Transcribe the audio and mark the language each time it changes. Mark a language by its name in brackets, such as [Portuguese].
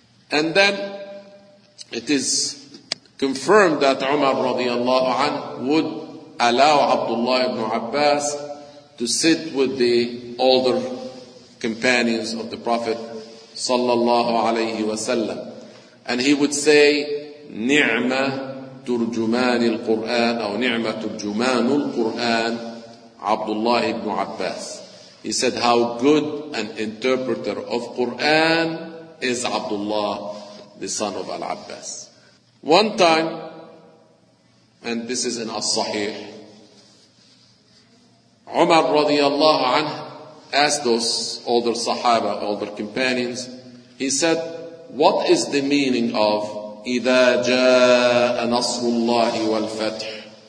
[English] And then it is confirmed that Umar radiallahu anhu would allow Abdullah ibn Abbas to sit with the older companions of the Prophet sallallahu alayhi wa sallam. And he would say, ni'ma [Arabic] ترجمان القرآن أو نعمة ترجمان القرآن عبد الله بن عباس. [English] He said, how good an interpreter of Quran is Abdullah, the son of Al-Abbas. One time, and this is in As-Sahih, Umar radiallahu anh asked those older sahaba, older companions, he said, what is the meaning of [Arabic] إِذَا جَاءَ نَصْرُ اللَّهِ وَالْفَتْحِ?